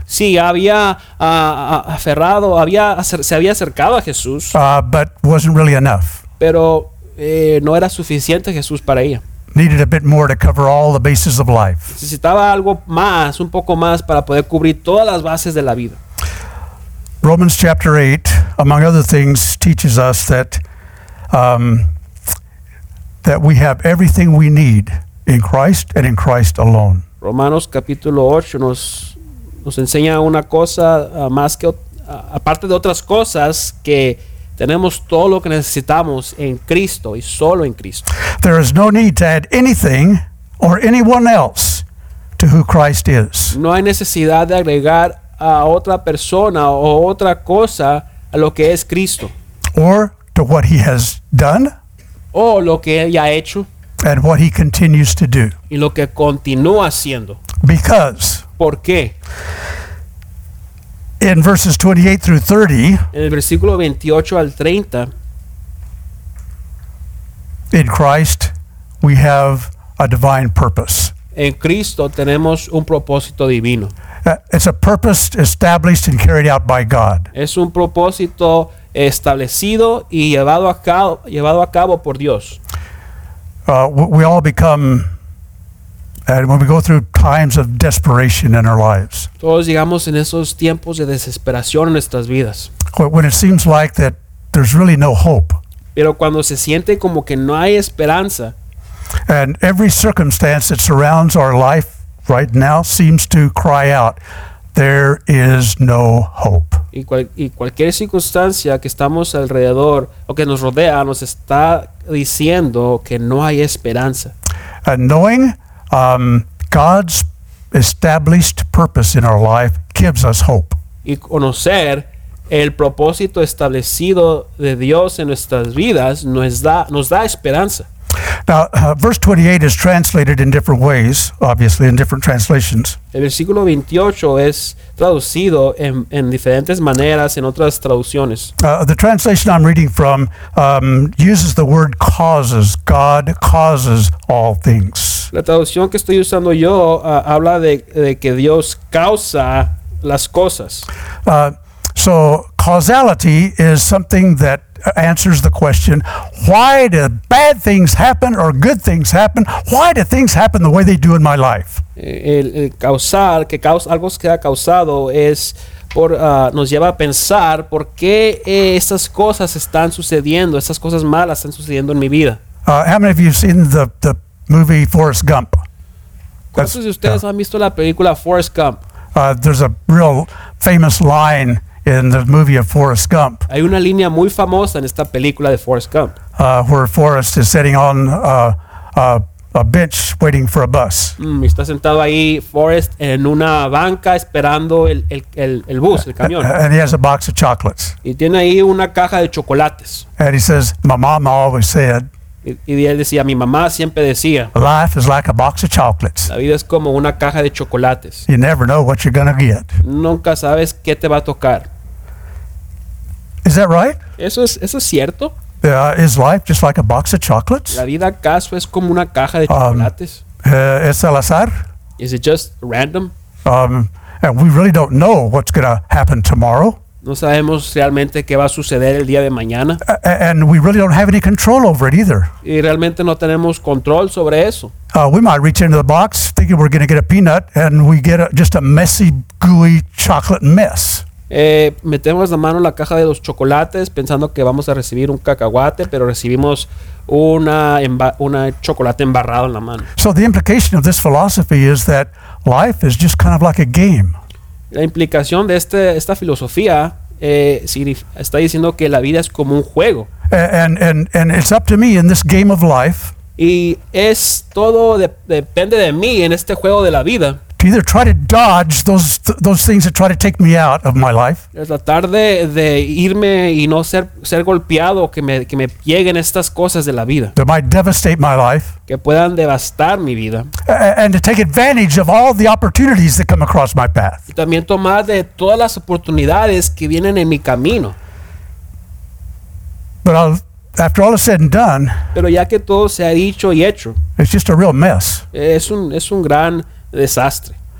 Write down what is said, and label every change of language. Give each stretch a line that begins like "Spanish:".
Spanish: Sí, había aferrado, había se había acercado a Jesús.
English: But wasn't really enough.
Spanish: Pero no era suficiente Jesús para ella.
English: Needed a bit more to cover all the bases of life.
Spanish: Necesitaba algo más, un poco más para poder cubrir todas las bases de la vida.
English: Romans chapter 8, among other things, teaches us that that we have everything we need in Christ and in Christ alone.
Spanish: Romanos capítulo 8 nos enseña una cosa más que aparte de otras cosas que tenemos todo lo que necesitamos en Cristo y solo en Cristo.
English: There is no need to add anything or anyone else to who Christ is.
Spanish: No hay necesidad de agregar a otra persona o otra cosa a lo que es Cristo.
English: Or to what he has done.
Spanish: O lo que él ya ha hecho.
English: And what he continues to do.
Spanish: Y lo que continúa haciendo.
English: Because.
Spanish: ¿Por qué?
English: In verses 28 through 30,
Spanish: en el versículo 28 al 30,
English: in Christ we have a divine purpose.
Spanish: En Cristo tenemos un propósito divino.
English: It's a purpose established and carried out by God.
Spanish: Es un propósito establecido y llevado a cabo por Dios.
English: We all become And when we go through times of desperation in our lives.
Spanish: Todos llegamos en esos tiempos de desesperación en nuestras vidas.
English: When it seems like that there's really no hope.
Spanish: Pero cuando se siente como que no hay esperanza.
English: And every circumstance that surrounds our life right now seems to cry out, there is no hope.
Spanish: Y cualquier circunstancia que estamos alrededor o que nos rodea nos está diciendo que no hay esperanza.
English: And knowing God's established purpose in our life gives us hope.
Spanish: Y conocer el propósito establecido de Dios en nuestras vidas nos da esperanza.
English: Now, verse 28 is translated in different ways, obviously, in different translations.
Spanish: El versículo 28 es traducido en diferentes maneras, en otras traducciones.
English: The translation I'm reading from uses the word causes. God causes all things.
Spanish: La traducción que estoy usando yo habla de que Dios causa las cosas.
English: So, causality is something that answers the question, why do bad things happen or good things happen? Why do things happen the way they do in my life?
Spanish: El causar, que causa, algo que ha causado es por, nos lleva a pensar por qué esas cosas están sucediendo, esas cosas malas están sucediendo en mi vida.
English: How many of you have seen the movie Forrest Gump?
Spanish: ¿Cuántos de ustedes han visto la película Forrest Gump?
English: There's a real famous line in the movie of Forrest Gump.
Spanish: Hay una línea muy famosa en esta película de Forrest Gump.
English: Where Forrest is sitting on a bench waiting for a bus.
Spanish: Está sentado ahí Forrest en una banca esperando el bus, el camión.
English: And he has a box of chocolates.
Spanish: Y tiene ahí una caja de chocolates.
English: And he says, my mama always said,
Spanish: y él decía, mi mamá siempre decía,
English: life is like a box of chocolates.
Spanish: La vida es como una caja de chocolates.
English: You never know what you're gonna get.
Spanish: Nunca sabes qué te va a tocar.
English: Is that right?
Spanish: Eso es cierto.
English: Is life just like a box of chocolates?
Spanish: La vida acaso es como una caja de chocolates. Es al azar.
English: Is it just random? And we really don't know what's gonna happen tomorrow.
Spanish: No sabemos realmente qué va a suceder el día de mañana.
English: And we really don't have any control over it either.
Spanish: Y realmente no tenemos control sobre eso.
English: We might reach into the box thinking we're going to get a peanut and we get just a messy, gooey chocolate mess.
Spanish: Metemos la mano en la caja de los chocolates pensando que vamos a recibir un cacahuate, pero recibimos una chocolate embarrado en la mano.
English: So the implication of this philosophy is that life is just kind of like a game.
Spanish: La implicación de esta filosofía está diciendo que la vida es como un juego.
English: And it's up to me in this game of life.
Spanish: Y es todo depende de mí en este juego de la vida.
English: To either try to dodge those things that try to take me out of my life.
Spanish: Es tratar de irme y no ser golpeado, que me lleguen estas cosas de la vida.
English: That might devastate my life.
Spanish: Que puedan devastar mi vida.
English: And to take advantage of all the opportunities that come across my path.
Spanish: Y también tomar de todas las oportunidades que vienen en mi camino.
English: But after all is said and done.
Spanish: Pero ya que todo se ha dicho y hecho.
English: It's just a real mess.
Spanish: Es un gran desastre.